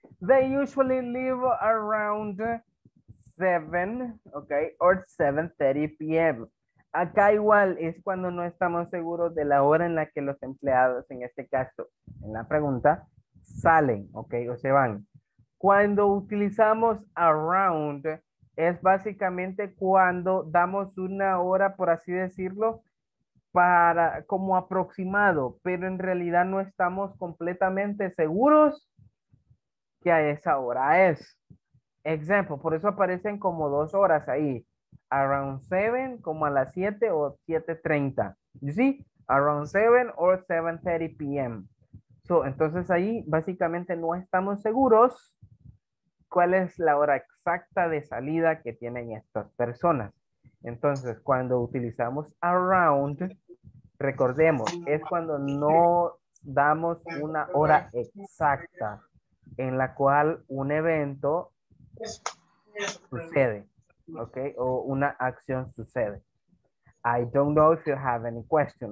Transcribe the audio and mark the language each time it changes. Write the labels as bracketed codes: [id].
[en] They usually leave around 7, okay, or 7:30 p.m. [es] Acá igual es cuando no estamos seguros de la hora en la que los empleados, en este caso, en la pregunta, salen, okay, o se van. Cuando utilizamos around, es básicamente cuando damos una hora, por así decirlo, para como aproximado, pero en realidad no estamos completamente seguros que a esa hora es. Ejemplo, por eso aparecen como 2 horas ahí. Around 7, como a las 7 o 7:30. [en] You see? Around 7 or 7:30 p.m. [es] So, entonces ahí básicamente no estamos seguros cuál es la hora exacta de salida que tienen estas personas. Entonces, cuando utilizamos around, recordemos, es cuando no damos una hora exacta en la cual un evento sucede, okay, o una acción sucede. [en] I don't know if you have any question.